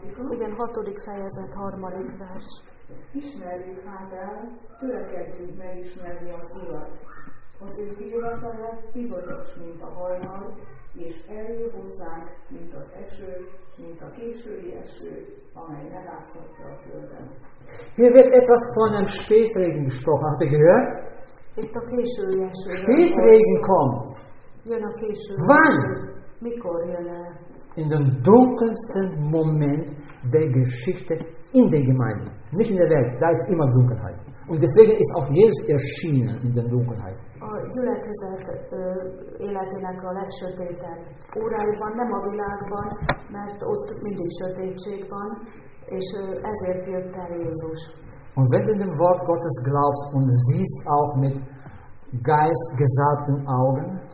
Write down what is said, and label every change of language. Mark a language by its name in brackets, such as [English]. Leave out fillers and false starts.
[Hungarian] Igen, hatodik fejezet, harmadik vers. Ismerjük hátát, törekedjünk megismerni az Urat. Az ő pillanatára bizonyos, mint a hajnal, és eljön hozzánk, mint az eső, mint a késői eső, amely megáztatja a földet. [German] Hier wird etwas von einem Spätregen gesprochen, habt ihr gehört? [Hungarian] Itt a késői eső. [German] Spätregen kommt. [Hungarian] Jön a késői eső. [German] Wann? [Hungarian] Mikor jön el? [German] In dem dunkelsten Moment der Geschichte in der Gemeinde. Nicht in der Welt, da ist immer Dunkelheit. Und deswegen ist auch Jesus erschienen in der Dunkelheit. [Hungarian] A gyülekezet életének a legsötétebb óráiban, nem a világban, mert ott mindig sötétség van, és ezért jött el Jézus. [German] Und wenn du dem Wort Gottes glaubst und siehst auch mit geistgesalbten Augen,